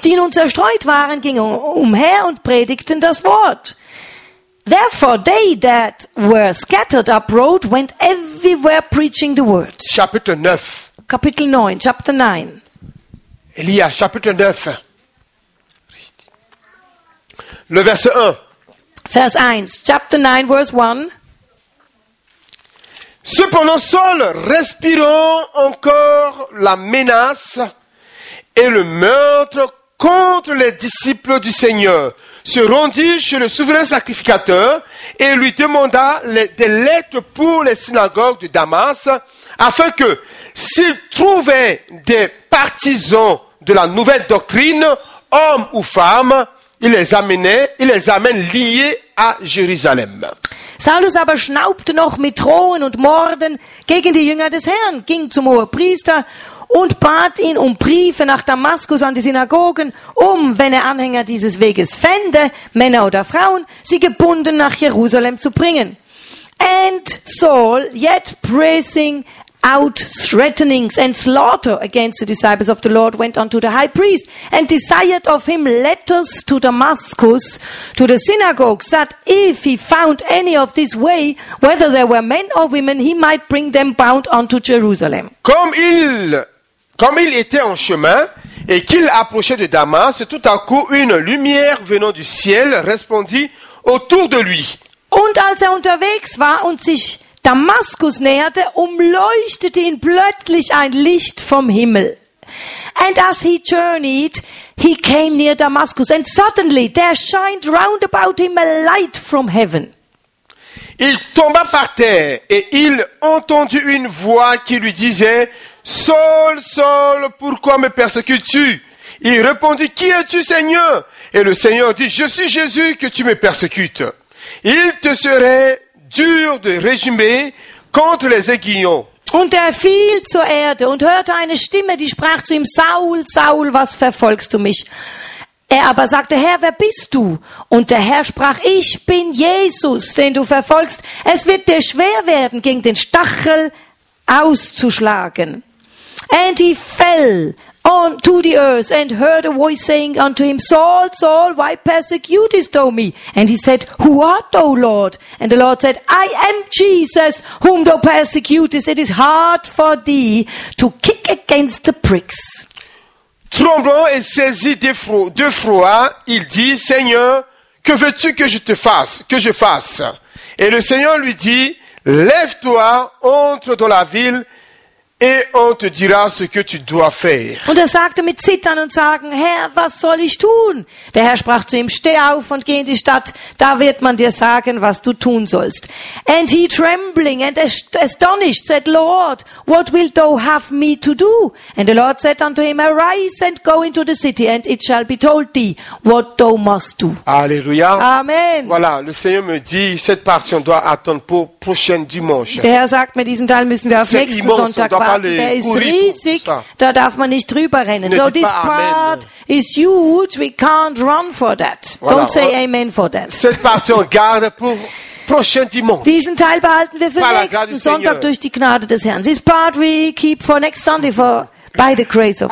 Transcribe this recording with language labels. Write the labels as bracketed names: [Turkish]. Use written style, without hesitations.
[German] Die nun zerstreut waren, gingen umher und predigten das Wort. [English] Therefore, they that were scattered abroad went everywhere preaching the word. [French] Chapitre 9. [German] Kapitel 9, [English] chapter 9. [French] Elia, chapitre 9. Le verset 1. [German] Vers 1, [English] chapter 9, verse 1. [French] Cependant, Saul, respirant encore la menace et le meurtre contre les disciples du Seigneur, se rendit chez le souverain sacrificateur et lui demanda des lettres pour les synagogues de Damas, afin que, s'il trouvait des partisans de la nouvelle doctrine, hommes ou femmes, il les amène liés à Jérusalem. [German] Saulus aber schnaubte noch mit Drohen und Morden gegen die Jünger des Herrn, ging zum Hohepriester und bat ihn um Briefe nach Damaskus an die Synagogen, um, wenn er Anhänger dieses Weges fände, Männer oder Frauen, sie gebunden nach Jerusalem zu bringen. [English] And Saul, yet pressing out threatenings and slaughter against the disciples of the Lord, went unto the high priest and desired of him letters to Damascus, to the synagogues, that if he found any of this way, whether there were men or women, he might bring them bound unto Jerusalem. [French] Comme il était en chemin, Et qu'il approchait de Damas, tout à coup, une lumière venant du ciel resplendit autour de lui. [German] Und als er unterwegs war und sich Damaskus näherte, umleuchtete ihn plötzlich ein Licht vom Himmel. [English] And as he journeyed, he came near Damascus, and suddenly there shined round about him a light from heaven. [French] Il tomba par terre et il entendit une voix qui lui disait, Saul, Saul, pourquoi me persécutes-tu? Il répondit, Qui es-tu, Seigneur? Et le Seigneur dit, Je suis Jésus que tu me persécutes. Il te serait dur de résumer contre les aiguillons. [German] Und er fiel zur Erde und hörte eine Stimme, die sprach zu ihm, Saul, Saul, was verfolgst du mich? Er aber sagte, Herr, wer bist du? Und der Herr sprach, ich bin Jesus, den du verfolgst. Es wird dir schwer werden, gegen den Stachel auszuschlagen. [English] And he fell onto the earth and heard a voice saying unto him, Saul, Saul, why persecutest thou me? And he said, Who art thou, Lord? And the Lord said, I am Jesus, whom thou persecutest. It is hard for thee to kick against the pricks. [French] Tremblant et saisi de froid, il dit, Seigneur, que veux-tu que je te fasse, que je fasse? Et le Seigneur lui dit, Lève-toi, entre dans la ville, et on te dira ce que tu dois faire. [German] Und er sagte mit Zittern und Sagen, Herr, was soll ich tun? Der Herr sprach zu ihm, steh auf und geh in die Stadt, da wird man dir sagen, was du tun sollst. [English] And he trembling and astonished said, Lord, what wilt thou have me to do? And the Lord said unto him, arise and go into the city, and it shall be told thee what thou must do. Alléluia. Amen. [French] Voilà, le Seigneur me dit, cette partie, on doit attendre pour prochain dimanche. [German] Der Herr sagt mir, diesen Teil müssen wir auf nächsten [French] immense, [German] Sonntag Der ist riesig, da darf man nicht drüber rennen. Ne [English] so this part amen. Is huge, we can't run for that. [French] Voilà. [English] Don't say amen for that. [French] Cette partie on garde pour prochain dimanche. [German] Diesen Teil behalten wir für nächsten Sonntag [French] Seigneur. [German] Durch die Gnade des Herrn. [English] This part we keep for next Sunday for by the grace of